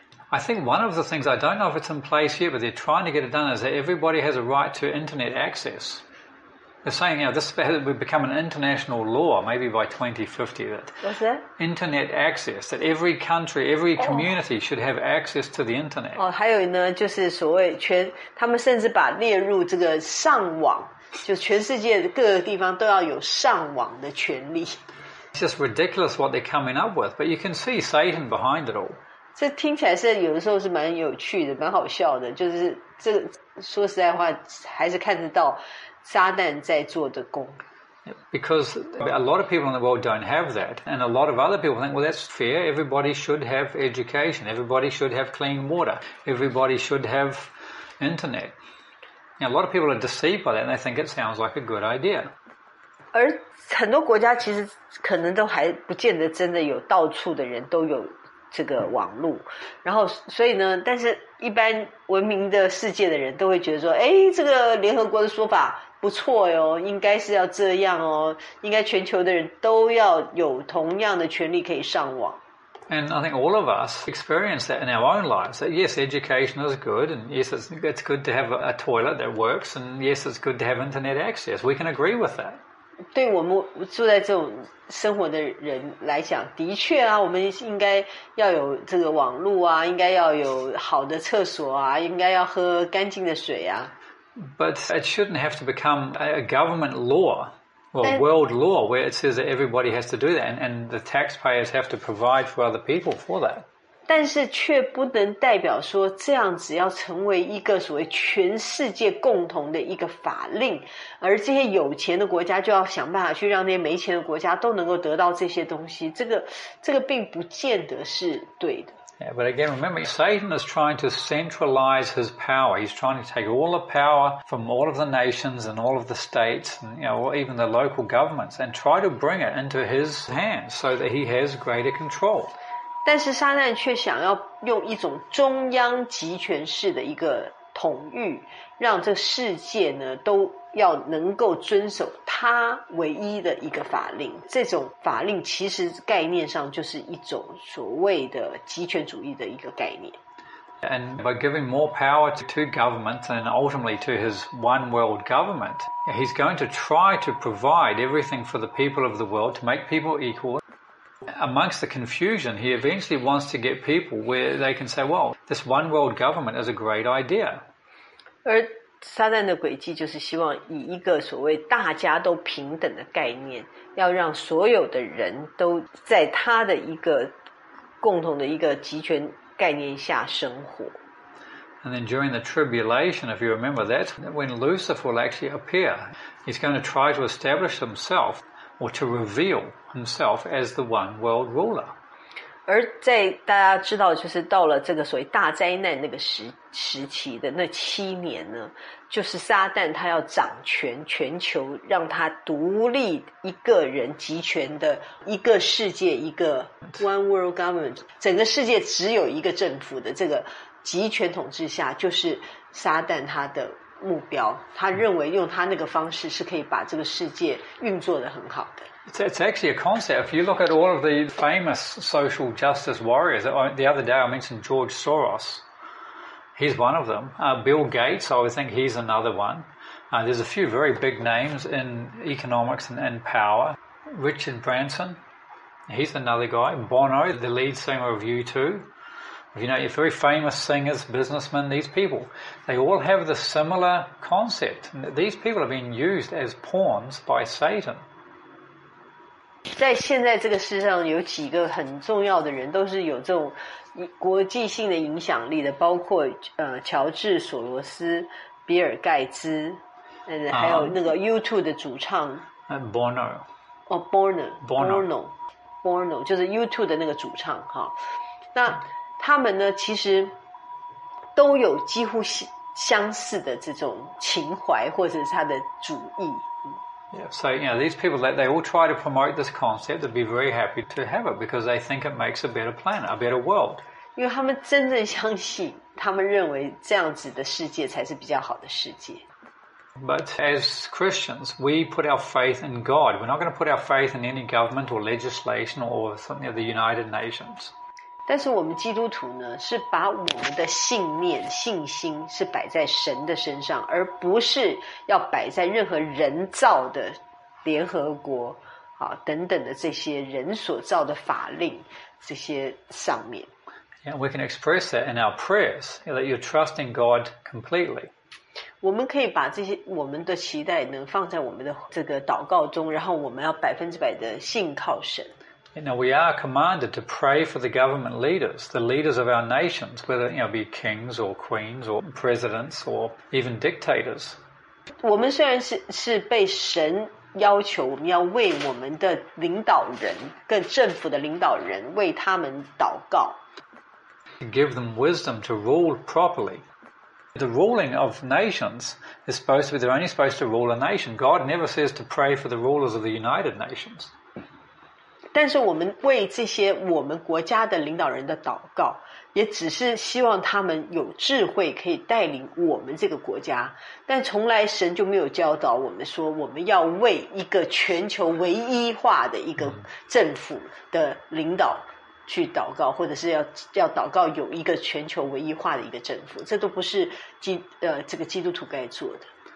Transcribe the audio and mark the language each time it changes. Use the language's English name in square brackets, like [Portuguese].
[English] I think one of the things, I don't know if it's in place here, but they're trying to get it done, is that everybody has a right to internet access. They're saying, you know, this has become an international law, maybe by 2050. That What's that? Internet access, that every country, every community should have access to the internet. [Chinese] 哦，还有呢，就是所谓全，他们甚至把列入这个上网。就全世界各个地方都要有上网的权利。 [English] It's just ridiculous what they're coming up with, but you can see Satan behind it all. [Chinese] 这听起来是有的时候是蛮有趣的，蛮好笑的。就是这说实在话，还是看得到撒旦在做的工。 [English] Because a lot of people in the world don't have that, and a lot of other people think, well, that's fair. Everybody should have education. Everybody should have clean water. Everybody should have internet. Now, a lot of people are deceived by that, and they think it sounds like a good idea. [Chinese] 而很多国家其实可能都还不见得真的有到处的人都有这个网路。然后，所以呢，但是一般文明的世界的人都会觉得说，哎，这个联合国的说法不错哟，应该是要这样哦，应该全球的人都要有同样的权利可以上网。 [English] And I think all of us experience that in our own lives, that yes, education is good, and yes, it's good to have a toilet that works, and yes, it's good to have internet access. We can agree with that. [Chinese] 对我们住在这种生活的人来讲，的确啊，我们应该要有这个网路啊，应该要有好的厕所啊，应该要喝干净的水啊。 [English] But it shouldn't have to become a government law. Well, world law, where it says that everybody has to do that, and the taxpayers have to provide for other people for that. [Chinese] 但是却不能代表说这样子要成为一个所谓全世界共同的一个法令，而这些有钱的国家就要想办法去让那些没钱的国家都能够得到这些东西，这个并不见得是对的。 [English] Yeah, but again, remember, Satan is trying to centralize his power. He's trying to take all the power from all of the nations and all of the states, and, you know, even the local governments, and try to bring it into his hands so that he has greater control. [Chinese] 但是撒旦却想要用一种中央集权式的一个统御，让这世界呢都要能够遵守他唯一的一个法令，这种法令其实概念上就是一种所谓的极权主义的一个概念。 [English] And by giving more power to governments and ultimately to his one world government, he's going to try to provide everything for the people of the world to make people equal. Amongst the confusion, he eventually wants to get people where they can say, well, this one world government is a great idea. [Chinese] 而撒旦的诡计就是希望以一个所谓大家都平等的概念，要让所有的人都在他的一个共同的一个集权概念下生活。 [English] And then during the tribulation, if you remember, that's when Lucifer will actually appear. He's going to try to establish himself or to reveal himself as the one world ruler. [Chinese] 而在大家知道就是到了这个所谓大灾难那个时期的那七年呢，就是撒旦他要掌权全球，让他独立一个人集权的一个世界，一个 [English] one world government， [Chinese] 整个世界只有一个政府的这个集权统治下，就是撒旦他的目标，他认为用他那个方式是可以把这个世界运作得很好的。 [English] It's actually a concept. If you look at all of the famous social justice warriors, the other day I mentioned George Soros. He's one of them. Bill Gates, I would think he's another one. There's a few very big names in economics and power. Richard Branson, he's another guy. Bono, the lead singer of U2. You know, very famous singers, businessmen, these people, they all have the similar concept. These people have been used as pawns by Satan. [Chinese] 在现在这个世上有几个很重要的人都是有这种国际性的影响力的，包括乔治索罗斯、比尔盖茨，还有那个 U2 的主唱 [English] Bono [Chinese] 就是 U2 的那个主唱哈。那他们呢其实都有几乎相似的这种情怀或者是他的主义。 [English] Yeah, so, you know, these people, they all try to promote this concept, they'd be very happy to have it because they think it makes a better planet, a better world. [Chinese] 因为他们真正相信，他们认为这样子的世界才是比较好的世界。 [English] But as Christians, we put our faith in God. We're not going to put our faith in any government or legislation or something of the United Nations. [Chinese] 但是我们基督徒呢，是把我们的信念、信心是摆在神的身上，而不是要摆在任何人造的联合国啊等等的这些人所造的法令这些上面。 [English] Yeah, we can express that in our prayers, that you're trusting God completely. [Chinese] 我们可以把这些我们的期待呢放在我们的这个祷告中，然后我们要100%的信靠神。 [English] Now we are commanded to pray for the government leaders, the leaders of our nations, whether you know, be kings or queens or presidents or even dictators. [Chinese] 我们虽然 是被神要求我们要为我们的领导人跟政府的领导人为他们祷告。 [English] To give them wisdom to rule properly. The ruling of nations is supposed to be, they're only supposed to rule a nation. God never says to pray for the rulers of the United Nations. [Chinese] 但是我们为这些我们国家的领导人的祷告，也只是希望他们有智慧可以带领我们这个国家，但从来神就没有教导我们说我们要为一个全球唯一化的一个政府的领导去祷告，或者是 要祷告有一个全球唯一化的一个政府，这都不是这个基督徒该做的。